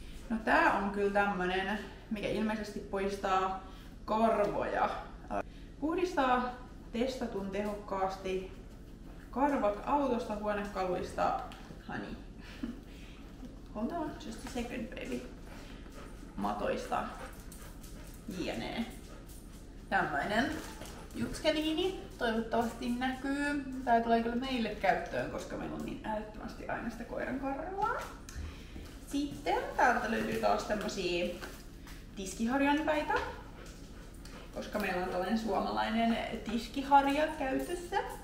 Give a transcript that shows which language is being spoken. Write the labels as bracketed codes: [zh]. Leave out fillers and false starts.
[fi] No tää on kyllä tämmönen, mikä ilmeisesti poistaa karvoja. Puhdistaa testatun tehokkaasti karvat autosta, huonekaluista. [en] Honey, hold on just a second baby. [fi] Matoista, jne. Tämmöinen jutskeliini toivottavasti näkyy. Tää tulee kyllä meille käyttöön, koska meillä on niin älyttömästi aina sitä koiran karvaa. Sitten täältä löytyy taas tämmösiä tiskiharjanpäitä, koska meillä on tällainen suomalainen tiskiharja käytössä.